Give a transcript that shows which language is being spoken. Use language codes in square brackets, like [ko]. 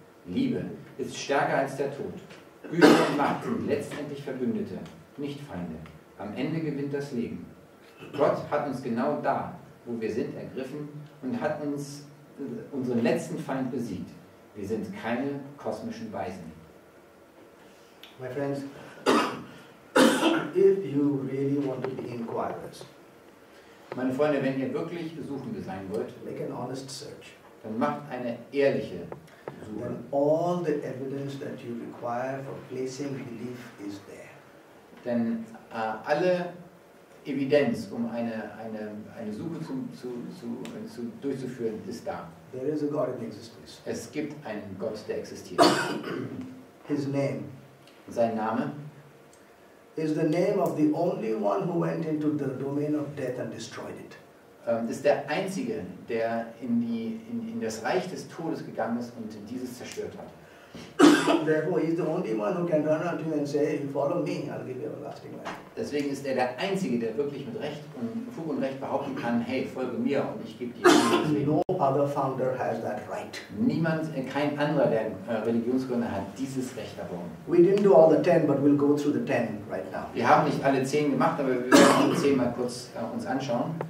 [de] Liebe ist stärker als der Tod. Güte und Macht sind letztendlich Verbündete, nicht Feinde. Am Ende gewinnt das Leben. Gott hat uns genau da, wo wir sind, ergriffen und hat uns unseren letzten Feind besiegt. Wir sind keine kosmischen Weisen. [en] My friends, if you really want to be inquirers, [de] meine Freunde, wenn ihr wirklich Suchende sein wollt, [en] make an honest search, [de] dann macht eine ehrliche Suche. [en] Then all the evidence that you require for placing belief is there. [de] Denn alle Evidenz, um eine Suche zu durchzuführen, ist da. [en] There is a God in existence. [de] Es gibt einen Gott, der existiert. [en] His name. [de] Sein Name. [en] Is the name of the only one who went into the domain of death and destroyed it. [de] Ist der einzige, der in das Reich des Todes gegangen ist und dieses zerstört hat. [en] Therefore, he is the only one who can run unto you and say, "You follow me, I'll give you everlasting life." [de] Deswegen ist er der Einzige, der wirklich mit Recht und Fug und Recht behaupten kann: Hey, folge mir und ich gebe dir ewiges Leben. [en] No other founder has that right. [de] Niemand, kein anderer der Religionsgründer hat dieses Recht erworben. [en] We didn't do all the 10, but we'll go through the 10 right now. [de] Wir haben nicht alle 10 gemacht, aber wir werden alle 10 mal kurz uns anschauen.